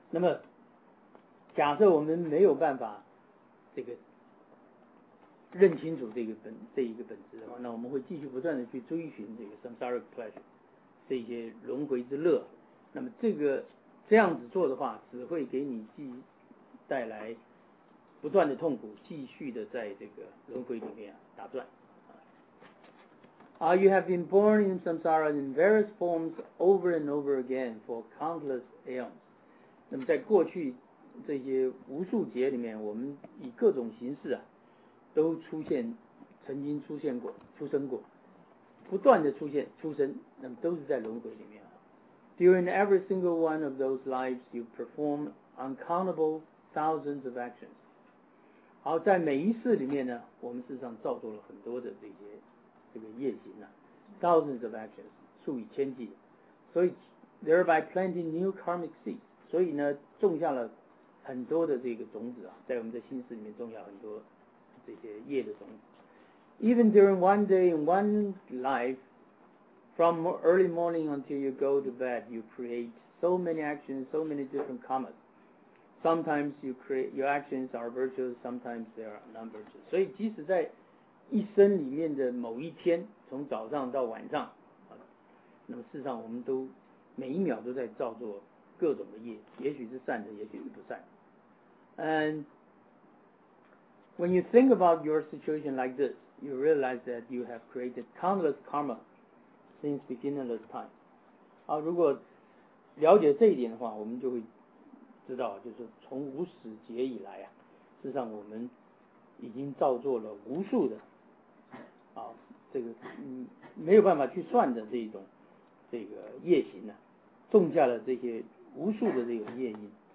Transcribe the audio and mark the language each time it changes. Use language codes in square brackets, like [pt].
[zh] 那么假设我们没有办法这个认清楚这一个本质的话，那我们会继续不断的去追寻这个 [en] samsaric pleasure [zh] 这些轮回之乐。那么这个这样子做的话，只会给你既带来不断的痛苦，继续的在这个轮回里面、打转。 [en] You have been born in samsara in various forms over and over again for countless eons. [zh] 那么在过去这些无数劫里面，我们以各种形式啊，都曾经出现过、出生过，不断的出现、出生，那么都是在轮回里面。 [en] During every single one of those lives, you perform uncountable thousands of actions. [zh] 好，在每一世里面呢，我们事实上造作了很多的这个业行啊， [en] thousands of actions, [zh] 数以千计。 [en] 所以 thereby planting new karmic seeds. [zh] 所以呢，种下了很多的这个种子啊，在我们的心思里面种下很多这些业的种子。 [en] Even during one day in one life,From early morning until you go to bed, you create so many actions, so many different karmas. Sometimes you create, your actions are virtuous, sometimes they are non-virtuous. [zh] 所以即使在一生里面的某一天，从早上到晚上，那么事实上我们都每一秒都在造作各种的业，也许是善的，也许是不善。 [en] And when you think about your situation like this, you realize that you have created countless karma. Since beginningless time. [zh] 好，如果了解这一点的话，我们就会知道，就是从无始劫以来啊，事实上我们已经造作了无数的啊，这个没有办法去算的这一种这个业行呢、啊，种下了这些无数的这种业因。